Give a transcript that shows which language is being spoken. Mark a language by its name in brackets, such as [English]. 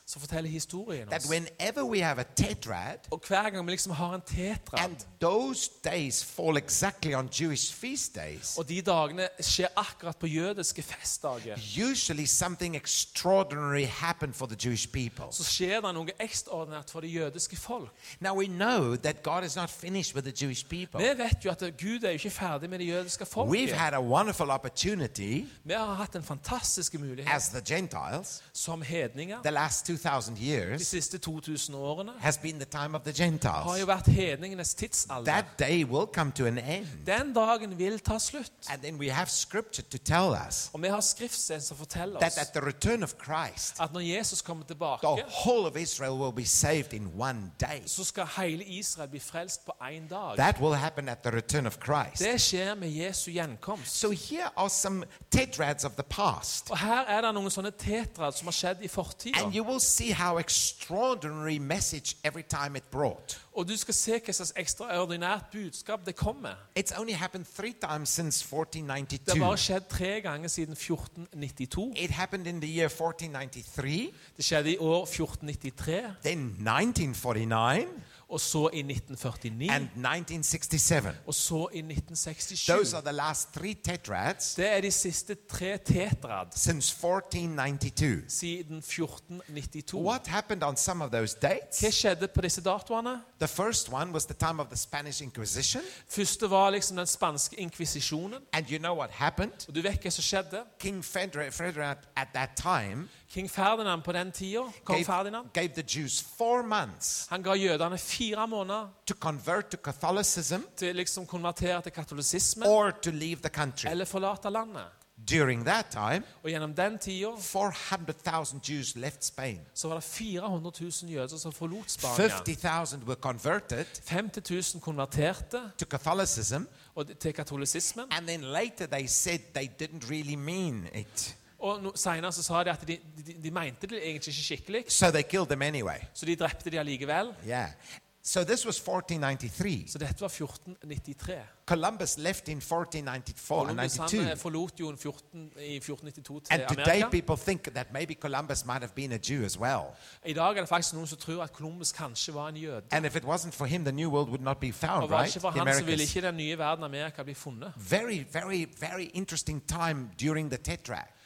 [Norwegian] Så forteller historien oss. [English] That whenever we have a tetrad. [Norwegian] Og hver gang vi liksom har en tetrad. [English] And those days fall exactly on Jewish feast days. [Norwegian] Og de dagene skjer akkurat på jødiske festdager. [English] Usually something extraordinary happened for the Jewish people. [Norwegian] Så skjer det noe ekstraordinært for det jødiske folk. [English] Now we know that God is not finished with the Jewish people. [Norwegian] Vi vet jo at Gud ikke ferdig med det jødiske folket. [English] We've had a wonderful opportunity. [Norwegian] Vi har hatt en fantastisk mulighet. [English] As the Gentiles. [Norwegian] Som hedninger. [English] The last 2000 years. [Norwegian] De siste 2000 årene. [English] Has been the time of the Gentiles. [Norwegian] Har jo vært hedningenes tidsalder. [English] That day will come to an end. [Norwegian] Den dagen vil ta slutt. [English] And then we have scripture to tell us. [Norwegian] Og vi har skriftsten som forteller oss. [English] That at the return of Christ. [Norwegian] At når Jesus kommer tilbake. [English] The whole of Israel will be saved in one day. [Norwegian] Så skal hele Israel bli frelst på en dag. [English] That will happen at the return of Christ. [Norwegian] Det skjer med Jesu gjenkomst. [English] So here are some tetrads of the past. [Norwegian] Og her det noen sånne tetrad som har skjedd I fortiden. [English] And you will see how extraordinary message every time it brought. [Norwegian] Og du skal se hva slags ekstraordinært budskap det kommer. [English] It's only happened three times since 1492. [Norwegian] Det har bare skjedd tre ganger siden 1492. [English] It happened in the year 1493. [Norwegian] Det skjedde I år 1493. [English] Then 1949. [Norwegian] Og så I 1949. [English] And 1967. [Norwegian] Og så I 1967. [English] Those are the last three tetrads. [Norwegian] Det de siste tre tetrad. [English] Since 1492. [Norwegian] Siden 1492. [English] What happened on some of those dates? [Norwegian] Hva skjedde på disse datoene? [English] The first one was the time of the Spanish Inquisition. [Norwegian] Første var liksom den spanske inkvisisjonen. [English] And you know what happened? [Norwegian] Og du vet hva som skjedde? [English] King Ferdinand at that time. [Norwegian] King Ferdinand på den tida. Kong Ferdinand. [English] Gave the Jews 4 months. [Norwegian] Han ga jødene fire måneder. [English] To convert to Catholicism. [Norwegian] Til liksom konvertere til katolisismen. [English] Or to leave the country. [Norwegian] Eller forlate landet. [English] During that time, [Norwegian] og gjennom den tiden, [English] 400,000 Jews left Spain. [Norwegian] Så var det 400,000 jøder som forlot Spania. [English] 50,000 were converted. [Norwegian] 50,000 konverterte. [English] To Catholicism. [Norwegian] Og til katolisismen. [English] And then later they said they didn't really mean it. [Norwegian] Og senere så sa de at de mente det egentlig ikke skikkelig. [English] So they killed them anyway. [Norwegian] Så de drepte de allikevel. [English] Yeah. So this was 1493. [Norwegian] Så dette var 1493. [English] Columbus left in 1494 and 92. [Norwegian] Columbus forlot jo I 1492 til Amerika. [English] And today people think that maybe Columbus might have been a Jew as well. [Norwegian] I dag det faktisk noen som tror at Columbus kanskje var en jøde. [English] And if it wasn't for him, the New World would not be found, right? [Norwegian] Og hvis ikke han, så ville ikke den nye verden Amerika bli funnet. [English] Very, very, very interesting time during the tetrad.